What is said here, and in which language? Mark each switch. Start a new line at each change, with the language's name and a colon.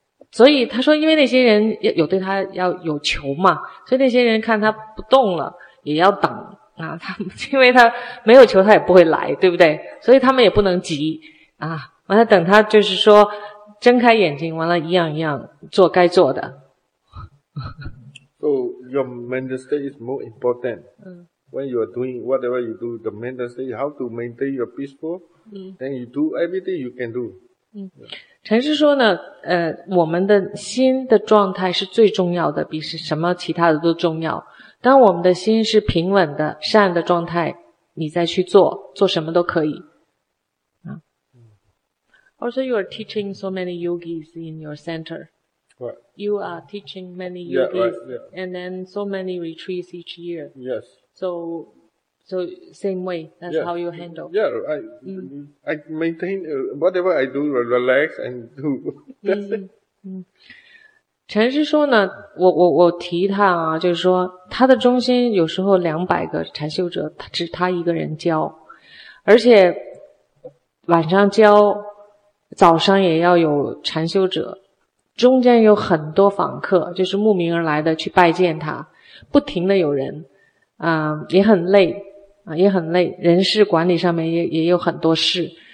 Chinese: 所以他说因为那些人有对他要有求嘛，所以那些人看他不动了也要等啊，他因为他没有求他也不会来，对不对？所以他们也不能急啊，完了等他就是说睁开眼睛，完了，一样一样做该做的。
English: So your mental state is more important. When you are doing whatever you do, the mental state, how to maintain your peaceful. Then you do everything you can do.
Chinese: 禅师说呢，我们的心的状态是最重要的，比是什么其他的都重要。当我们的心是平稳的、善的状态，你再去做什么都可以。
English: Also, you are teaching so many yogis in your center. Right. You are teaching many yogis, and then so many retreats each year. Yes. So same way. That's how you handle. Yeah, I maintain whatever I do, relax and do.
Chinese: 禅师说呢，我提他啊，就是说他的中心有时候200个禅修者，他只他一个人教，而且晚上教。早上也要有禅修者，中间有很多访客，就是慕名而来的去拜见他，不停的有人，也很累，也很累，人事管理上面也有很多事。